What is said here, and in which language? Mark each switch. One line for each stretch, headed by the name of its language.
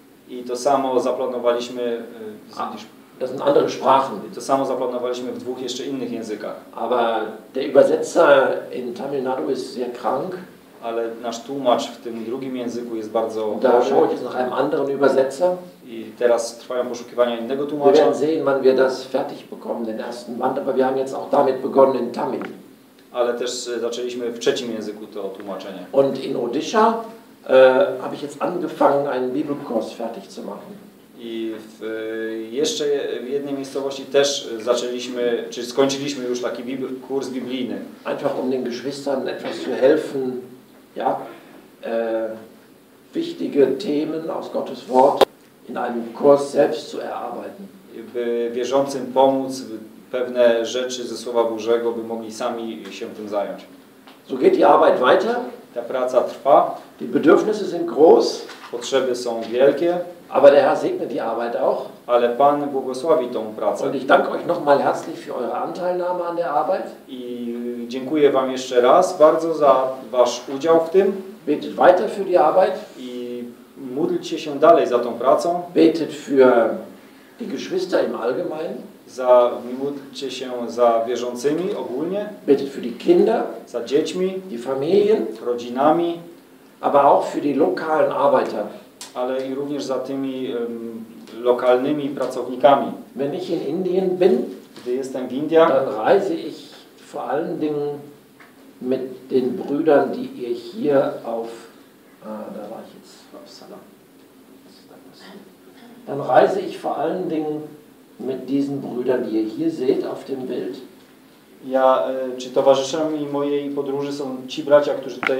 Polish: I to samo zaplanowaliśmy w dwóch jeszcze innych językach.
German: Aber der Übersetzer in Tamil Nadu ist sehr krank.
Polish: Ale nasz tłumacz w tym drugim języku jest bardzo dobry. I teraz trwają poszukiwania innego tłumacza.
German: Sehen, wann wir das fertig bekommen, den ersten Band, aber wir haben jetzt auch damit begonnen in Tamil.
Polish: Ale też zaczęliśmy w trzecim języku to tłumaczenie.
German: Und in Odisha habe ich jetzt angefangen, einen Bibelkurs fertig zu machen.
Polish: I jeszcze w jednej miejscowości też zaczęliśmy, czy skończyliśmy już taki kurs biblijny.
German: Einfach um den Geschwistern etwas zu helfen. Ja, wichtige Themen aus Gottes Wort in einem Kurs selbst zu erarbeiten.
Polish: By wierzącym pomóc, pewne rzeczy ze Słowa Bożego, by mogli sami się tym zająć.
German: So geht die Arbeit weiter.
Polish: Ta praca trwa.
German: Die Bedürfnisse sind groß.
Polish: Potrzeby są wielkie.
German: Aber der Herr segne die Arbeit auch.
Polish: Ale Pan błogosławi tą pracę.
German: Und ich danke euch nochmal herzlich für eure Anteilnahme an der Arbeit.
Polish: I dziękuję wam jeszcze raz bardzo za wasz udział w tym.
German: Betet weiter für die Arbeit.
Polish: I módlcie się dalej za tą pracą.
German: Betet für die Geschwister im Allgemeinen.
Polish: Za, módlcie się za wierzącymi ogólnie.
German: Betet für die Kinder.
Polish: Za dziećmi.
German: Die Familien.
Polish: Rodzinami.
German: Aber auch für die lokalen Arbeiter.
Polish: Ale i również za tymi lokalnymi pracownikami.
German: Wenn ich in Indien bin,
Polish: gdy jestem w Indiach,
German: dann reise ich vor allen Dingen mit den Brüdern, die ihr hier auf da war ich jetzt auf Salam. Dann reise ich vor allen Dingen mit diesen Brüdern, die ihr hier seht auf dem Bild.
Polish: Ja, czy towarzyszami mojej podróży są ci bracia, którzy tutaj